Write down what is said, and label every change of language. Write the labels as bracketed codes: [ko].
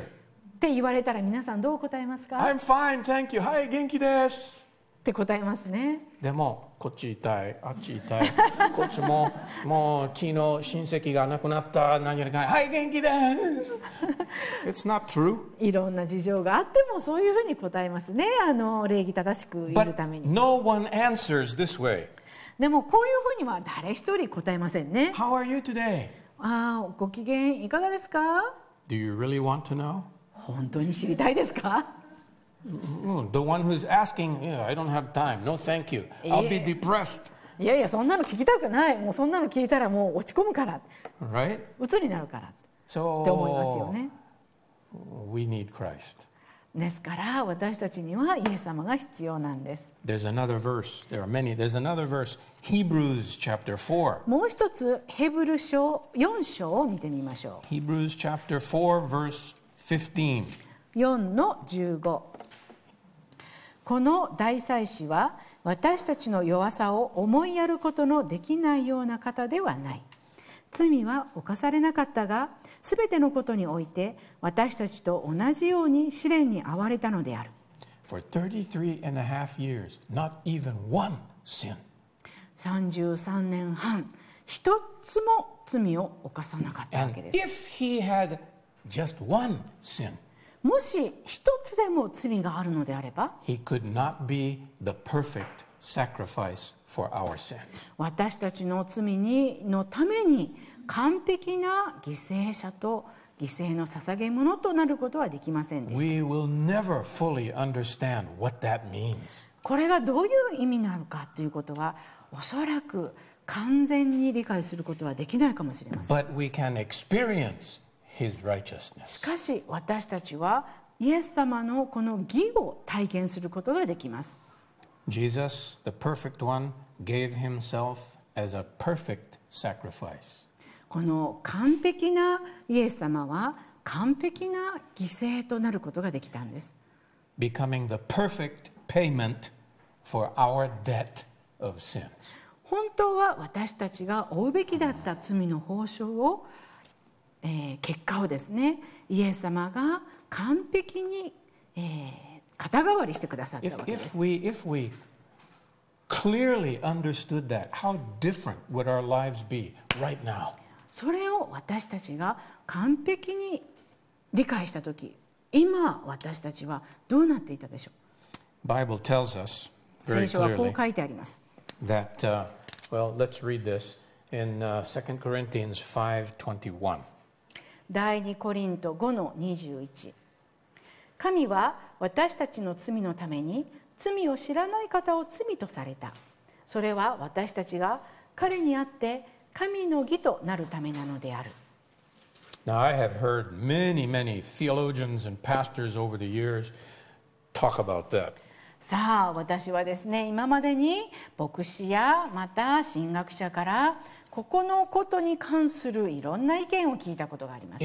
[ja] って言われたら皆さんどう答えますか? [en] I'm fine, thank you. [ja] はい、元気です。って答えますね。でも、こっち痛い、あっち痛い。こっちも、もう昨日親戚が亡くなった、何やらかい。はい、元気です。 [en] It's not true. [ja] いろんな事情があっても、そういうふうに答えますね。礼儀正しく言うために。 [en] But no one answers this way. [ja] でも、こういうふうには誰一人答えませんね。 [en] How are you today? [ja] ああ、ご機嫌いかがですか? [en] Do you really want to know? [ja] 本当に知りたいですか? [en] The one who's asking, yeah, I don't have time. No, thank you. I'll be depressed. [ja] いやいや、そんなの聞きたくない。もうそんなの聞いたらもう落ち込むから。 [en] Right? [ja] 鬱になるから。 [en] So, [ja] って思いますよね。 [en] We need Christ. [ja] ですから私たちにはイエス様が必要なんです。 [en] There's another verse. There are many. There's another verse. Hebrews chapter 4. [ja] もう一つヘブル書4章を見てみましょう。 [en] Hebrews chapter 4 verse 15. [ja] 4の15。この大祭司は私たちの弱さを思いやることのできないような方ではない。罪は犯されなかったが、すべてのことにおいて私たちと同じように試練に遭われたのである。 [en] For 33 and a half years, not even one sin. [ja] 33年半、一つも罪を犯さなかったわけです。 [en] And if he had just one sin, [ja] もし一つでも罪があるのであれば、 [en] He could not be the perfect sacrifice for our sin. [ja] 私たちの罪のために完璧な犠牲者と犠牲の捧げ物となることはできませんでした。 [en] We will never fully understand what that means. [ja] これがどういう意味なのかということは、おそらく完全に理解することはできないかもしれません。 [en] But we can experience. His righteousness. [ja] しかし私たちはイエス様のこの義を体験することができます。 [en] Jesus, the perfect one, gave himself as a perfect sacrifice. [ja] この完璧なイエス様は完璧な犠牲となることができたんです。 [en] Becoming the perfect payment for our debt of sin. [ja] 本当は私たちが負うべきだった罪の報酬を結果をですね、イエス様が完璧に、肩代わりしてくださったわけです。 [en] If we clearly understood that, how different would our lives be right now? [ja] それを私たちが完璧に理解したとき、今私たちはどうなっていたでしょう。 [en] Bible tells us very clearly. [ja] 聖書はこう書いてあります。 [en] That, well, let's read this in 2 Corinthians 5:21. [ja] 第二コリント5の21神は私たちの罪のために罪を知らない方を罪とされた。それは私たちが彼にあって神の義となるためなのである。 Now I have heard many, many theologians and pastors over the years talk about that. さあ私はですね、今までに牧師やまた神学者からここのことに関するいろんな意見を聞いたことがあります。